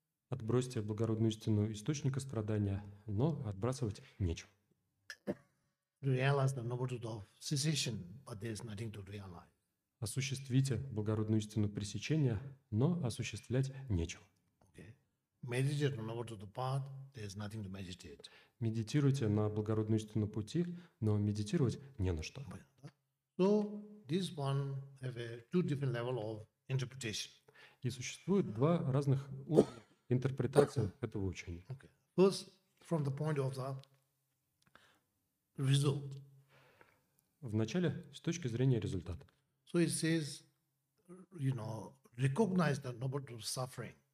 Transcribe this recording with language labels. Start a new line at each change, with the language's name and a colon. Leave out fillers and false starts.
Russian: Отбросьте благородную истину источника страдания, но отбрасывать нечего.
English: Realize the noble truth of cessation, but there's nothing to realize.
Russian: Осуществите благородную истину пресечения, но осуществлять нечего.
English: Meditate on order to the path, there's nothing to meditate.
Russian: Медитируйте на благородную истину пути, но медитировать не на что.
English: So, this one have two different level of interpretation.
Russian: И существует два разных уровня интерпретации этого учения.
English: Okay. First, from the point of the result.
Russian: Вначале, с точки зрения результата.
English: So it says, you know, recognize the noble truth of suffering.